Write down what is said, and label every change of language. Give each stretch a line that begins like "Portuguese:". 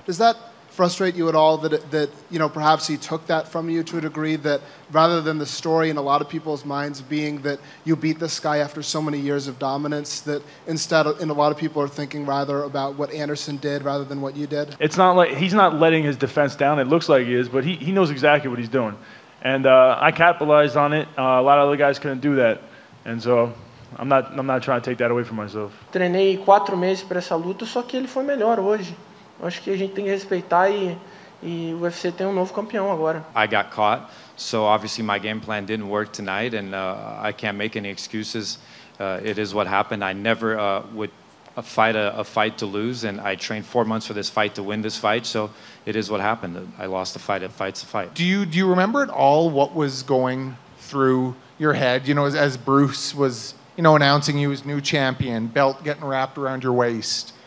English: Does that frustrate you at all that perhaps he took that from you to a degree, that rather than the story in a lot of people's minds being that you beat this guy after so many years of dominance, that instead and a lot of people are thinking rather about what Anderson did rather than what you did? It's not like he's not letting his defense down. It looks like he is, but he knows exactly what he's doing. And I capitalized on it. A lot of other guys couldn't do that. And so I'm not trying to take that away from myself.
Portuguese: Treinei 4 meses para essa luta, só que ele foi melhor hoje. Acho que a gente tem que respeitar e o UFC tem novo campeão agora.
English: I got caught, so obviously my game plan didn't work tonight, and I can't make any excuses. It is what happened. I never would a fight to lose, and I trained 4 months for this fight to win this fight, so it is what happened. I lost the fight. A fight's a fight. Do you remember at all what was going through your head, you know, as Bruce was, you know, announcing you as new champion, belt getting wrapped around your waist?